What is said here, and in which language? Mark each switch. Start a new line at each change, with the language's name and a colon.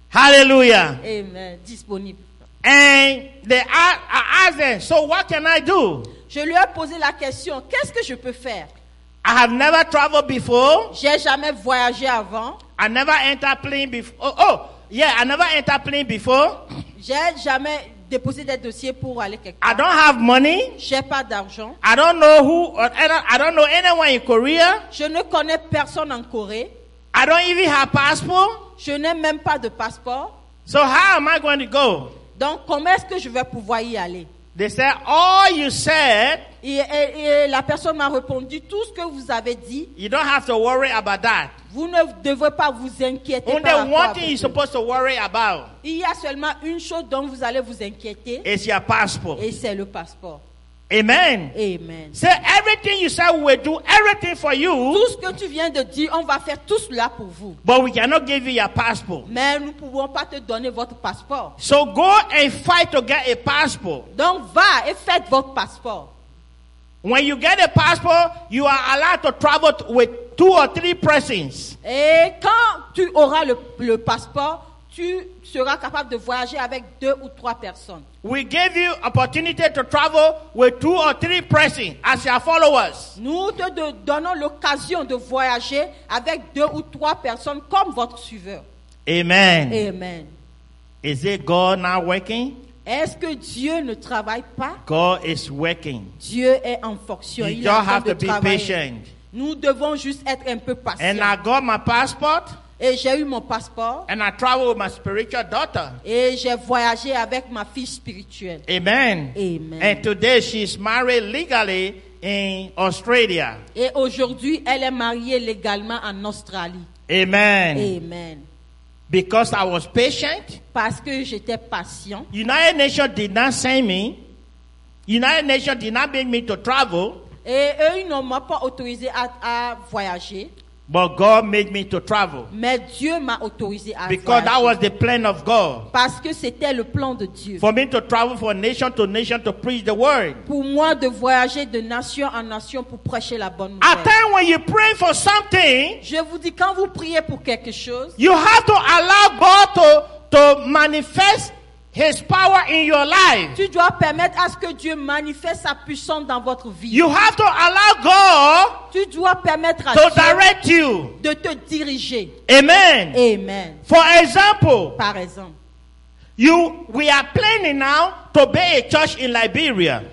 English: Hallelujah.
French: Amen. Disponible.
English: And they asked them, so what can I do?
French: Je lui ai posé la question, qu'est-ce que je peux faire?
English: I have never traveled before.
French: J'ai jamais voyagé avant.
English: I never entered plane before. I never entered plane before.
French: J'ai jamais déposé des dossiers pour aller quelque part.
English: I don't have money.
French: J'ai pas d'argent.
English: I don't know who or I don't know anyone in Korea.
French: Je ne connais personne en Corée.
English: I don't even have passport.
French: Je n'ai même pas de passeport.
English: So how am I going to go?
French: Donc comment est-ce que je vais pouvoir y aller?
English: They said, all you said.
French: Et la personne m'a répondu, tout ce que vous avez dit.
English: You don't have to worry about that.
French: Vous ne devez pas vous inquiéter.
English: Only
French: par
English: one thing you're supposed to worry about.
French: Il y a seulement une chose dont vous allez vous inquiéter.
English: It's your passport.
French: Et c'est le passeport.
English: Amen.
French: Amen.
English: Say everything you said, we will do everything for you.
French: Tout ce que tu viens de dire, on va faire tout cela pour vous.
English: But we cannot give you your passport.
French: Mais nous pouvons pas te donner votre passeport.
English: So go and fight to get a passport.
French: Donc va et faites votre passeport.
English: When you get a passport, you are allowed to travel with two or three persons.
French: Et quand tu auras le passeport, tu seras capable de voyager avec deux ou trois personnes.
English: We gave you opportunity to travel with two or three persons as your followers.
French: Nous te donnons l'occasion de voyager avec deux ou trois personnes comme votre suiveur.
English: Amen.
French: Amen.
English: Is it God not working?
French: Est-ce que Dieu ne travaille pas?
English: God is working.
French: Dieu est en fonction.
English: You
French: Il
English: don't
French: est en train
English: have
French: de
English: to
French: travailler.
English: Be patient.
French: Nous devons juste être un peu patients.
English: And I got my passport.
French: Et j'ai eu mon passeport.
English: And I travel with my spiritual daughter.
French: Et j'ai voyagé avec ma fille spirituelle.
English: Amen.
French: Amen.
English: And today she's married legally in Australia.
French: Et aujourd'hui, elle est mariée légalement en Australie.
English: Amen.
French: Amen.
English: Because I was patient.
French: Parce que j'étais patient.
English: United Nations did not send me. United Nations did not make me to travel.
French: Et eux, ils ne m'ont pas autorisé à voyager.
English: But God made me to travel.
French: Mais Dieu m'a autorisé à voyager.
English: Because that was the plan of God.
French: Parce que c'était le plan de Dieu.
English: For me to travel from nation to nation to preach the word.
French: Pour moi de voyager de nation en nation pour prêcher la bonne nouvelle.
English: At time when you pray for something.
French: Je vous dis quand vous priez pour quelque chose.
English: You have to allow God to manifest His power in your life.
French: Tu dois permettre à ce que Dieu manifeste sa puissance dans votre vie.
English: You have to allow God.
French: Tu dois permettre à
English: to
French: Dieu
English: direct you.
French: De te diriger.
English: Amen.
French: Amen.
English: For example.
French: Par exemple.
English: We are planning now to build a church in Liberia.